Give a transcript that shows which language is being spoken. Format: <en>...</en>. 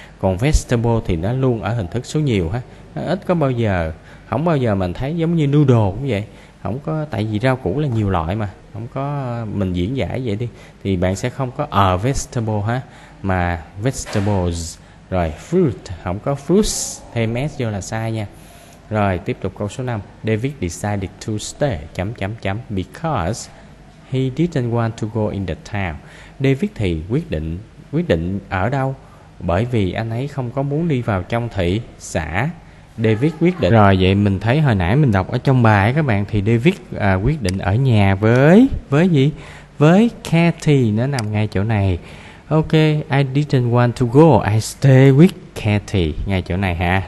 <vi>Còn vegetable thì nó luôn ở hình thức số nhiều ha. Nó ít có bao giờ, không bao giờ mình thấy giống như noodle cũng vậy. không có, tại vì rau củ là nhiều loại mà, không có, mình diễn giải vậy đi, thì bạn sẽ không có a vegetable ha, mà vegetables, rồi fruit, không có fruits, thêm s vô là sai nha. Rồi tiếp tục câu số 5.</vi> <en>David decided to stay</en> <vi>chấm chấm chấm</vi> <en>because he didn't want to go in the town.</en> <vi>David thì quyết định ở đâu? Bởi vì anh ấy không có muốn đi vào trong thị xã. David quyết định. Rồi vậy mình thấy hồi nãy mình đọc ở trong bài các bạn, thì David quyết định ở nhà với gì? Với Cathy, nó nằm ngay chỗ này. Ok,</vi> <en>I didn't want to go, I stay with Cathy,</en> <vi>ngay chỗ này ha.</vi>